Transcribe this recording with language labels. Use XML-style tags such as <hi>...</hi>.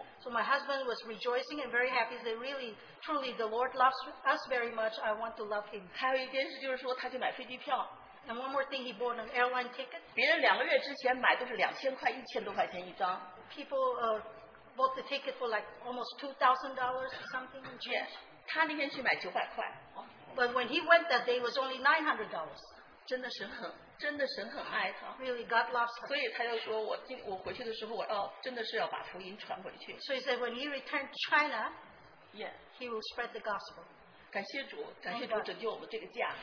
<en>So my husband was rejoicing and very happy. He said, really, truly, the Lord loves us very much. I want to love him.</en> <zh>还有一件事就是说，他去买飞机票。</zh> <en>And one more thing, he bought an airline ticket.</en> <zh>别人两个月之前买都是2000块，1000多块钱一张。</zh> <en>People bought the ticket for like almost $2,000 or something. Yes.</en> <zh>他那天去买900块。</zh> <en>But when he went that day, it was only $900.</en> <zh>真的神很爱他。</zh> <en>Really, God loves her.</en> <zh>所以他又说，我回去的时候，我要真的是要把福音传回去。</zh> <en>So he said, when he returned to China, yeah, he will spread the gospel.</en> <zh>感谢主，感谢主拯救我们这个家。</zh>